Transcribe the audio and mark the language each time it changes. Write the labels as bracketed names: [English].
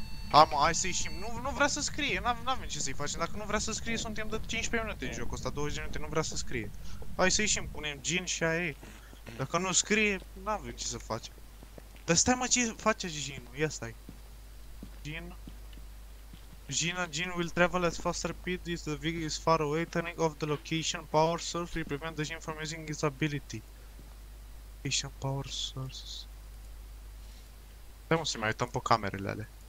[Romanian] Am, hai să ieșim. Nu vrea să scrie. N-avem ce să-i facem. Dacă nu vrea să scrie, suntem de 15 minute în jocul ăsta, 20 minute, nu vrea să scrie. Hai să ieșim, punem Jin și AE. Dacă nu scrie, n-avem ce să facem. Dar stai, mă, ce face Jin? Ia stai. [English] Jin will travel at faster speed if the vehicle is far away, turning off the location power source will prevent the Jin from using his ability. [Romanian] Ești un power source. Stai, mă, să-i mai uităm pe camerele alea.